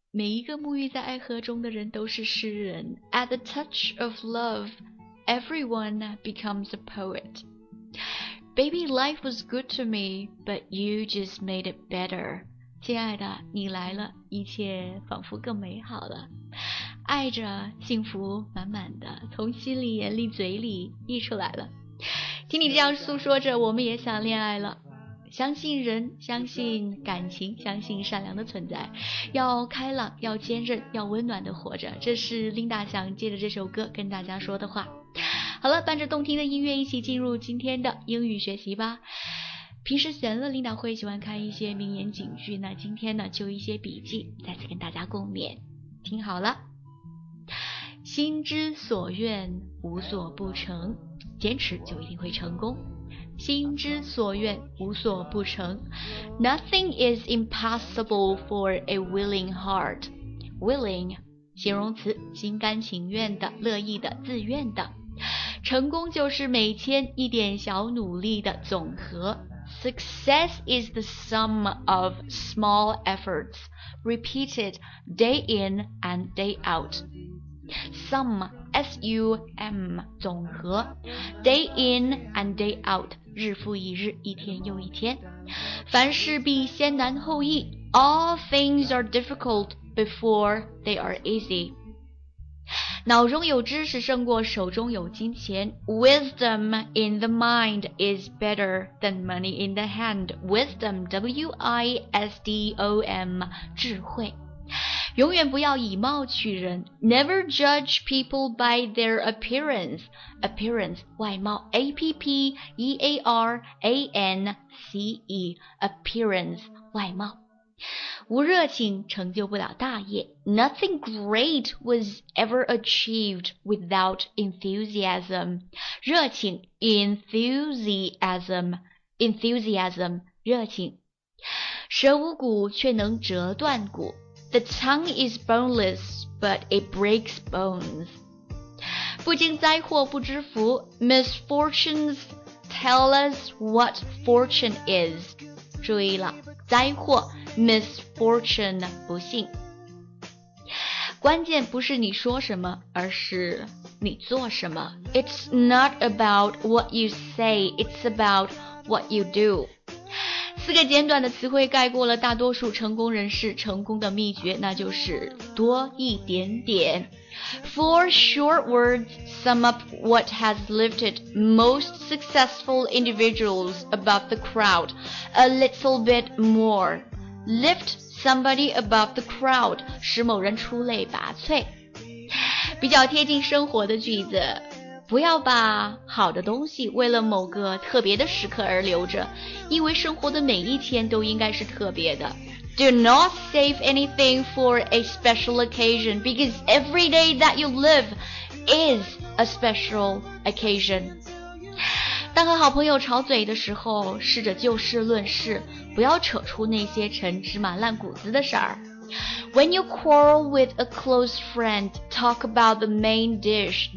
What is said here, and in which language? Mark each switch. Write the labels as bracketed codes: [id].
[zh] 每一个沐浴在爱河中的人都是诗人。 [en] At the touch of love, everyone becomes a poet. Baby, life was good to me, but you just made it better. [zh] 亲爱的，你来了，一切仿佛更美好了。爱着，幸福满满的，从心里、眼里、嘴里溢出来了。听你这样诉说着，我们也想恋爱了。相信人，相信感情，相信善良的存在，要开朗，要坚韧，要温暖地活着，这是琳达想借着这首歌跟大家说的话。好了，伴着动听的音乐一起进入今天的英语学习吧。平时闲了，琳达会喜欢看一些名言警句，那今天呢就一些笔记再次跟大家共勉，听好了。心之所愿无所不成，坚持就一定会成功。心之所愿无所不成， [en] Nothing is impossible for a willing heart. [zh] Willing 形容词，心甘情愿的，乐意的，自愿的。成功就是每天一点小努力的总和。 [en] Success is the sum of small efforts repeated day in and day out. [zh] Sum S-U-M 总和， [en] Day in and day out [zh] 日复一日，一天又一天。凡事必先难后易， [en] All things are difficult before they are easy. [zh] 脑中有知识胜过手中有金钱。 [en] Wisdom in the mind is better than money in the hand. [zh] Wisdom W-I-S-D-O-M 智慧。永远不要以貌取人。 [en] Never judge people by their appearance. [zh] Appearance 外貌， A-P-P-E-A-R-A-N-C-E Appearance 外貌。无热情成就不了大业。 [en] Nothing great was ever achieved without enthusiasm. [zh] 热情 Enthusiasm Enthusiasm 热情。舌无骨却能折断骨。 [en] The tongue is boneless, but it breaks bones. [zh] 不经灾祸不知福， [en] Misfortunes tell us what fortune is. [zh] 注意了，灾祸 Misfortune 不幸。关键不是你说什么，而是你做什么。 [en] It's not about what you say, it's about what you do. [zh] 四个简短的词汇概括了大多数成功人士成功的秘诀，那就是多一点点。 [en] Four short words sum up what has lifted most successful individuals above the crowd a little bit more. Lift somebody above the crowd, [zh] 使某人出类拔萃。比较贴近生活的句子，不要把好的东西为了某个特别的时刻而留着，因为生活的每一天都应该是特别的。 [en] Do not save anything for a special occasion because every day that you live is a special occasion. [zh] 当和好朋友吵嘴的时候，试着就事论事，不要扯出那些陈芝麻烂谷子的事儿。 [en] When you quarrel with a close friend, talk about the main dish.